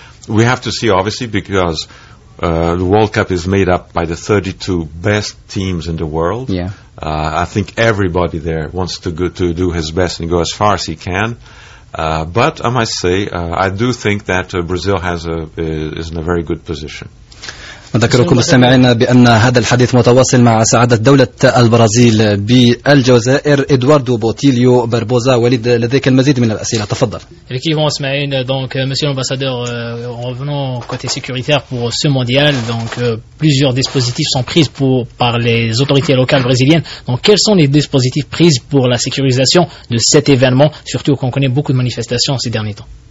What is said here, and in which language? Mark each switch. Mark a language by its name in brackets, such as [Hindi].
[English] We have to see, obviously, because the World Cup is made up by the 32 best teams in the world. Yeah. I think everybody there wants to do his best and go as far as he can. But I must say, I do think that Brazil is in a very good position. [Arabic] نذكركم مستمعينا بأن هذا الحديث متواصل مع سعادة دولة البرازيل بالجزائر إدواردو بوتيليو بربوزا. وليد لديك المزيد من الأسئلة, تفضل. [French] Effectivement, Ismaïl, donc Monsieur l'ambassadeur, revenons côté sécuritaire pour ce mondial. Donc plusieurs dispositifs sont pris par les autorités locales brésiliennes. Donc quels sont les dispositifs pris pour la sécurisation de cet événement, surtout qu'on connaît beaucoup de manifestations ces derniers temps?